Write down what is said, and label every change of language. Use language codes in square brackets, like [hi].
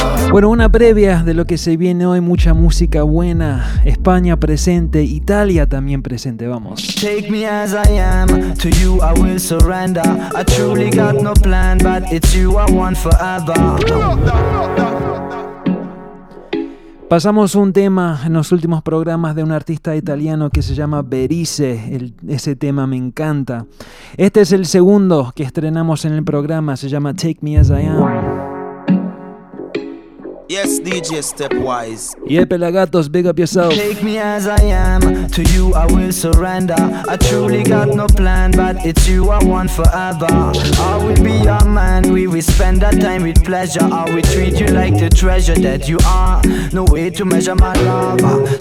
[es] Bueno, una previa de lo que se viene hoy, mucha música buena, España presente, Italia también presente, vamos. [en] Take me as I am, to you I will surrender. I truly got no plan, but it's you I want forever. [es] Pasamos un tema en los últimos programas de un artista italiano que se llama Berisse. Ese tema me encanta. Este es el segundo que estrenamos en el programa, se llama Take Me As I Am. [en] Yes, DJ Stepwise. Yeah, Pelagatos, big up yourself. Take me as I am, to you I will surrender. I truly got no plan, but it's you I want forever. I will be your man, we will spend our time with pleasure. I will treat you like the treasure that you are. No way to measure my love.